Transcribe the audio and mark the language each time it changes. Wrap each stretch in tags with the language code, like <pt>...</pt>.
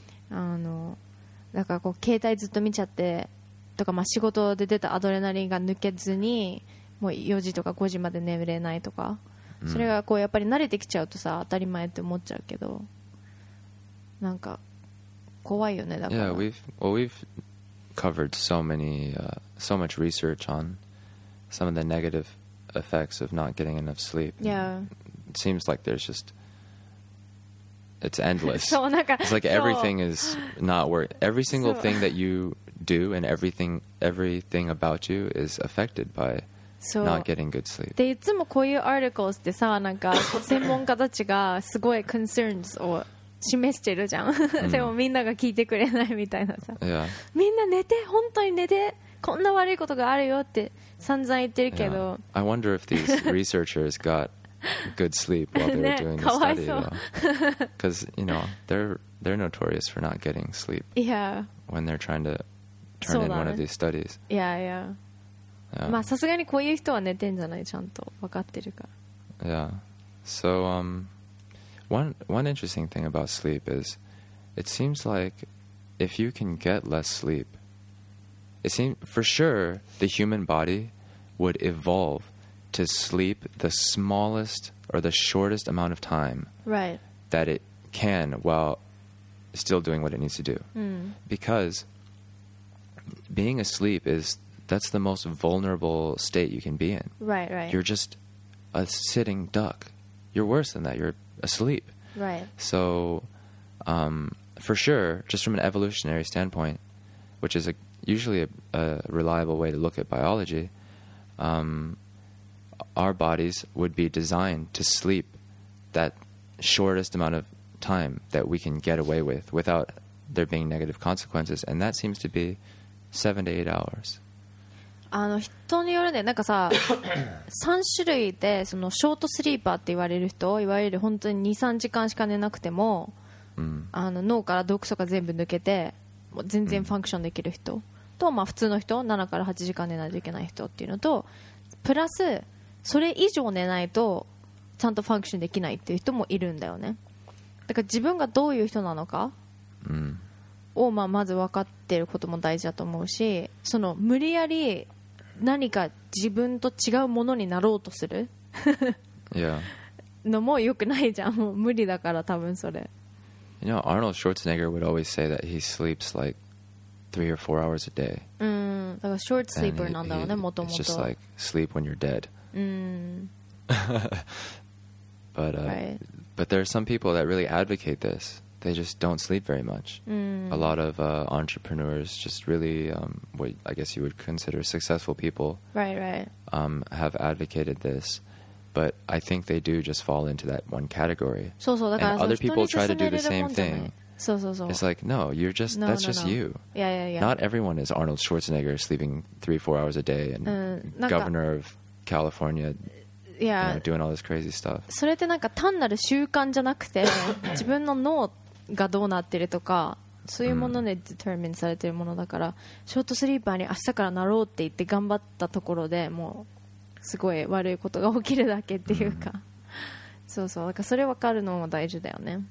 <ja>あの、だからこう携帯ずっと見ちゃってとか、まあ仕事で出たアドレナリンが抜けずに、もう4時とか5時まで眠れないとか、それがこうやっぱり慣れてきちゃうとさ、当たり前って思っちゃうけど、なんか怖いよね、だから。</ja> <en>Yeah, we've covered so much research on some of the negative effects of not getting enough sleep. Yeah. It seems like there's just it's endless.</en> <ja>そう、なんか</ja> <en>it's like everything is not worth every single thing that you do and everything about you is affected by not getting good sleep.</en> <ja>で、いつもこういうアーティクルってさ、なんか専門家たちがすごい concerns を示してるじゃん。でもみんなが聞いてくれないみたいなさ。</ja> <en>Yeah.</en> <ja>みんな寝て、本当に寝て、こんな悪いことがあるよって散々言ってるけど。</ja> <en>Yeah. I wonder if these researchers gotGood sleep while they're doing the study, because you know they're notorious for not getting sleep. Yeah. When they're trying to turn in one of these studies. Yeah, yeah.</en> <ja>まあさすがにこういう人は寝てんじゃない、ちゃんと分かってるから。</ja> <en>Yeah. So one interesting thing about sleep is, it seems like if you can get less sleep, it seems for sure the human body would evolve. To sleep the smallest or the shortest amount of time、 right. that it can while still doing what it needs to do.、 Mm. Because being asleep is, that's the most vulnerable state you can be in. Right, right. You're just a sitting duck. You're worse than that. You're asleep. Right. So, for sure, just from an evolutionary standpoint, which is usually a reliable way to look at biology, our bodies would be designed to sleep that shortest amount of time that we can get away with without there being negative consequences. And that seems to be 7 to 8 hours.</en> <ja>あの、人によるね、なんかさ、3種類で、そのショートスリーパーって言われる人、いわゆる本当に2、3時間しか寝なくても、あの脳から毒素が全部抜けてもう全然ファンクションできる人と、まあ普通の人、7から8時間寝ないといけない人っていうのと、プラスそれ以上寝ないとちゃんとファンクションできないっていう人もいるんだよね。だから自分がどういう人なのかを、まあまず分かっていることも大事だと思うし、その無理やり何か自分と違うものになろうとするのも良くないじゃん。もう無理だから多分それ。</ja> <en>You know, Arnold Schwarzenegger would always say that he sleeps like 3 or 4 hours a day.</en> <ja>だからショートスリーパーなんだろうね、もともと。</ja> <en>It's just like sleep when you're dead. But, but there are some people that really advocate this. They just don't sleep very much. A lot of entrepreneurs, just really, what I guess you would consider successful people, have advocated this. But I think they do just fall into that one category. So, so, and other people try to do the same thing. So, so, so. It's like, no, you're just, no, that's no, just no. you. Yeah, yeah, yeah. Not everyone is Arnold Schwarzenegger sleeping 3-4 hours a day and governor of California. Yeah. You know, doing all this crazy stuff.</en> <ja>それってなんか単なる習慣じゃなくて、自分の脳がどうなってるとか、そういうものでデターミンされてるものだから、ショートスリーパーに明日からなろうって言って頑張ったところでもう、すごい悪いことが起きるだけっていうか、そうそう、だからそれ分かるのも大事だよね。</ja>